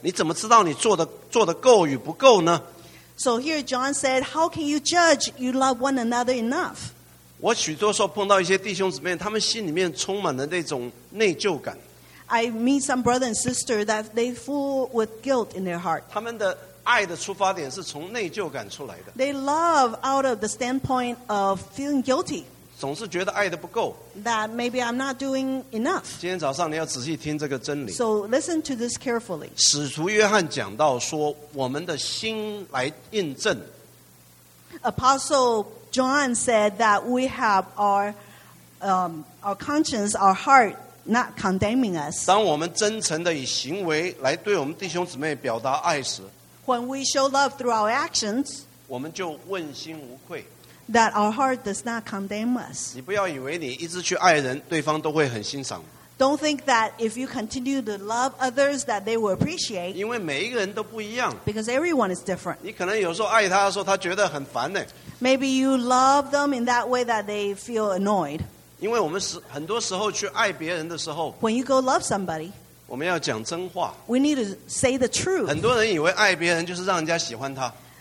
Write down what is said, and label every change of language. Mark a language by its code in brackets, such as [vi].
[zh] 所以这边使徒约翰讲到一个很重要，说你怎么样来衡量你们彼此相爱的时候是真实的，你怎么知道你做的够与不够呢？ [en] So here John said, how can you judge you love one another enough? [zh] 我许多时候碰到一些弟兄姊妹，他们心里面充满了那种内疚感。 [en] I meet some brothers and sisters that they full with guilt in their heart. [zh] 他们的爱的出发点是从内疚感出来的。 [en] They love out of the standpoint of feeling guilty. [zh] 总是觉得爱的不够。 [en] That maybe I'm not doing enough. [zh] 今天早上你要仔细听这个真理。 [en] So listen to this carefully. [zh] 使徒约翰讲到说我们的心来印证。 [en] Apostle John said that we have our conscience, our heart not condemning us. [zh] 当我们真诚的以行为来对我们弟兄姊妹表达爱时， [en] When we show love through our actions, [zh] 我们就问心无愧。 [en] That our heart does not condemn us. [zh] 你不要以为你一直去爱人，对方都会很欣赏。 [en] Don't think that if you continue to love others that they will appreciate. [zh] 因为每一个人都不一样。 [en] Because everyone is different. [zh] 你可能有时候爱他的时候他觉得很烦呢。 [en] Maybe you love them in that way that they feel annoyed. [zh] 因为我们很多时候去爱别人的时候, [en] when you go love somebody, [zh] 我们要讲真话。 [en] We need to say the truth. [zh] 很多人以为爱别人就是让人家喜欢他。